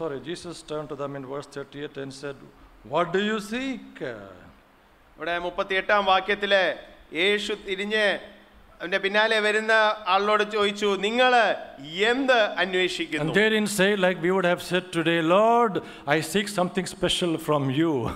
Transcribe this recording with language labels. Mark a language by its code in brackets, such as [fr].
[en] Jesus turned to them in verse 38 and said, what do you seek? [ml] ഇവിടെ 38ാം വാക്യത്തിലെ യേശു തിരിഞ്ഞ് അവന്റെ പിന്നാലെ വരുന്ന ആളോട് ചോദിച്ചു, നിങ്ങൾ എന്ത് അന്വേഷിക്കുന്നു? [en] And they didn't say like we would have said today, Lord, I seek something special from you.